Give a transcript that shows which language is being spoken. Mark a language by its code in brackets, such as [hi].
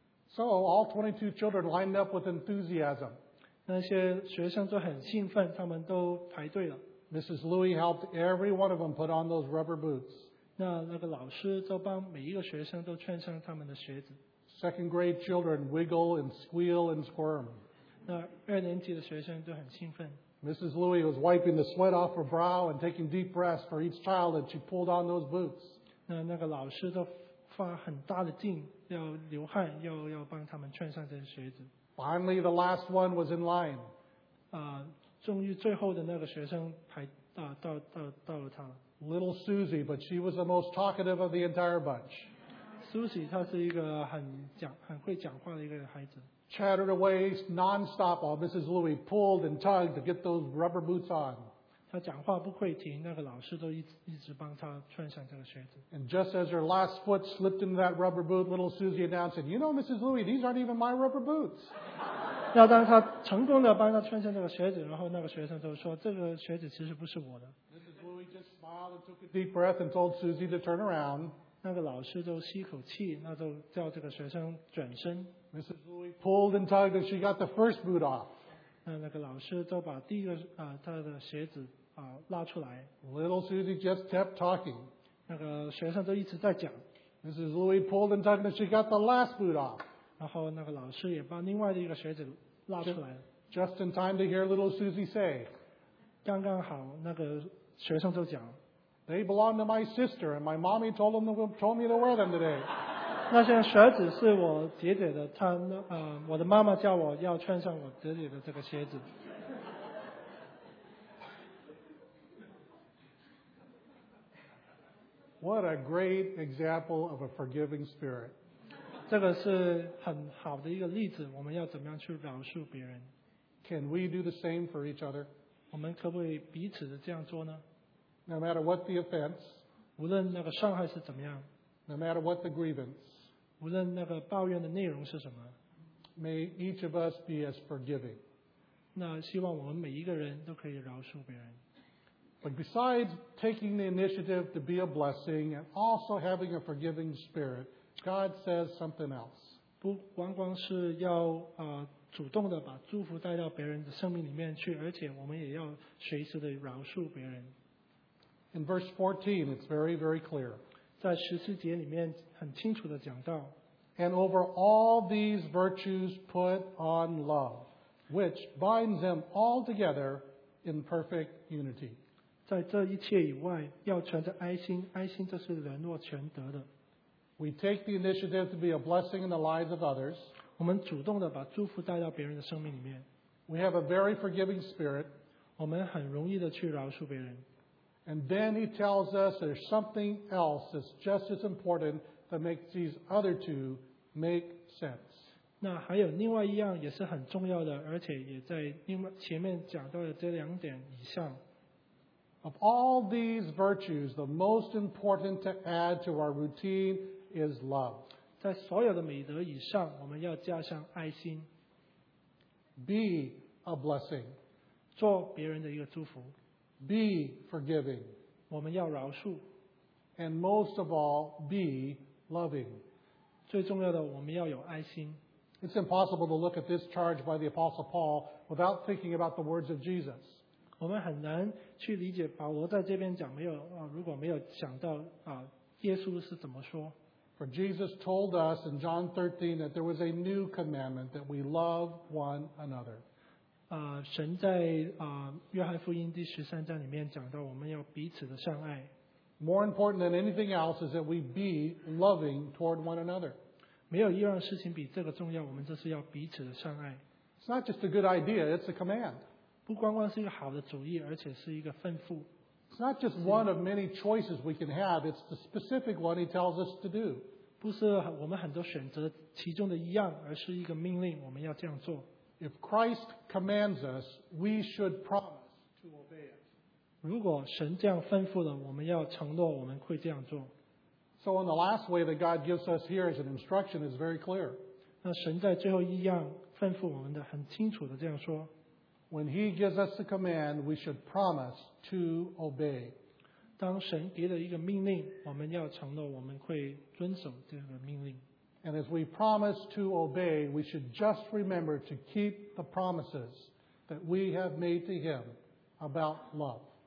[en] So all 22 children lined up with enthusiasm. [zh] 那些学生都很兴奋，他们都排队了。 [en] Mrs. Louis helped every one of them put on those rubber boots. [zh] 那个老师都帮每一个学生都穿上他们的鞋子。 [en] Second grade children wiggle and squeal and squirm. [zh] 那二年级的学生都很兴奋。 [en] Mrs. Louis was wiping the sweat off her brow and taking deep breaths for each child that she pulled on those boots. [zh] 那个老师都发很大的劲，要流汗，要帮他们穿上这些鞋子。 [en] Finally, the last one was in line. [zh] 终于最后的那个学生到了他了。 [en] Little Susie, but she was the most talkative of the entire bunch. [zh] Susie, 她是一个很会讲话的一个孩子。 [en] Chattered away nonstop while Mrs. Louis pulled and tugged to get those rubber boots on. [zh] 他讲话不会停，那个老师都一直帮他穿上这个鞋子。 [en] And just as her last foot slipped into that rubber boot, little Susie announced, "You know, Mrs. Louis, these aren't even my rubber boots." [zh] 那当他成功的帮他穿上这个鞋子，然后那个学生就说，这个鞋子其实不是我的。 [en] Mrs. Louis just smiled and took a deep breath and told Susie to turn around. [zh] 那个老师就吸口气，那就叫这个学生转身。 [en] Mrs. Louis pulled and tugged and she got the first boot off. [zh] 那个老师就把第一个他的鞋子拉出来。 [en] Little Susie just kept talking. [zh] 那个学生都一直在讲。 [en] Mrs. Louis pulled and tugged and she got the last boot off. [zh] 然后那个老师也把另外的一个鞋子拉出来。 [en] Just in time to hear little Susie say. [zh] 刚刚好那个学生就讲。 [en] They belong to my sister and my mommy told me to wear them today. [zh] 那些鞋子是我姐姐的，我的妈妈叫我要穿上我姐姐的这个鞋子。 [en] What a great example of a forgiving spirit. [zh] 这个是很好的一个例子，我们要怎么样去饶恕别人。 [en] Can we do the same for each other? [zh] 我们可不可以彼此的这样做呢？ [en] No matter what the offense, [zh] 无论那个伤害是怎么样， [en] No matter what the grievance, [zh] 无论那个抱怨的内容是什么， [en] May each of us be as forgiving. [zh] 那希望我们每一个人都可以饶恕别人。 [en] But besides taking the initiative to be a blessing and also having a forgiving spirit, God says something else. [zh] 不光光是要主动的把祝福带到别人的生命里面去，而且我们也要随时的饶恕别人。 [en] In verse 14, it's very, very clear. [zh] 在十四节里面很清楚的讲到。 [en] And over all these virtues put on love, which binds them all together in perfect unity. [zh] 在这一切以外，要存着爱心，爱心这是联络全德的。 [en] We take the initiative to be a blessing in the lives of others. [zh] 我们主动的把祝福带到别人的生命里面。 [en] We have a very forgiving spirit. [zh] 我们很容易的去饶恕别人。 [en] And then he tells us there's something else that's just as important that makes these other two make sense. [zh] 那还有另外一样也是很重要的，而且也在前面讲到的这两点以上。 [en] Of all these virtues, the most important to add to our routine is love. [zh] 在所有的美德以上，我们要加上爱心。 [en] Be a blessing. [zh] 做别人的一个祝福。 [en] Be forgiving. [zh] 我们要饶恕。 [en] And most of all, be loving. [zh] 最重要的，我们要有爱心。 [en] It's impossible to look at this charge by the Apostle Paul without thinking about the words of Jesus. [zh] 我们很难去理解保罗在这边讲没有如果没有想到耶稣是怎么说。 [en] For Jesus told us in John 13 that there was a new commandment that we love one another. [zh] 神在约翰福音第十三章里面讲到我们要彼此的相爱。 [en] More important than anything else is that we be loving toward one another. [zh] 没有一样事情比这个重要，我们就是要彼此的相爱。 [en] It's not just a good idea, it's a command. [zh] 不光光是一个好的主意，而且是一个吩咐。 [en] It's not just one of many choices we can have; it's the specific one he tells us to do. [zh] 不是我们很多选择其中的一样，而是一个命令，我们要这样做。 [en] If Christ commands us, we should promise to obey it. [zh] 如果神这样吩咐了，我们要承诺我们会这样做。 [en] So in the last way that God gives us here as an instruction is very clear. [zh] 那神在最后一样吩咐我们的，很清楚的这样说。 [en] When he gives us the command, we should promise to obey. [zh] 当神给了一个命令，我们要承诺我们会遵守这个命令。 [en] And as we promise to obey, we should just remember to keep the promises that we have made to him about love.